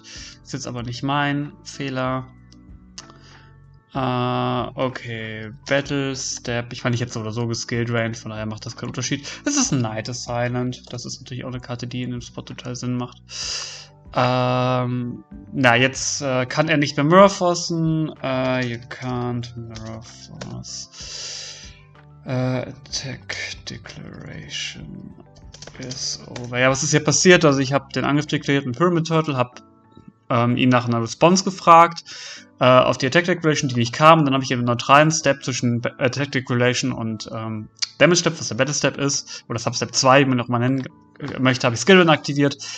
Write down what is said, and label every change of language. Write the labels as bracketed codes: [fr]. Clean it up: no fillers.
[de] Ist jetzt aber nicht mein Fehler. Okay. Battle Step. Ich meine, ich hätte so oder so geskillt, Range, von daher macht das keinen Unterschied. Es ist ein Knight of Silent. Das ist natürlich auch eine Karte, die in dem Spot total Sinn macht. Na, jetzt kann er nicht mehr Mirror Forcen. [en] You can't Mirror Force. Attack Declaration is over. [de] Ja, was ist hier passiert? Also, ich habe den Angriff deklariert mit Pyramid Turtle, habe ihn nach einer Response gefragt. Auf die Attack Declaration, die nicht kam. Dann habe ich einen neutralen Step zwischen Attack Declaration und Damage Step, was der Battle Step ist. Oder Sub Step 2, wie man auch mal nennen möchte, habe ich Skill Run aktiviert.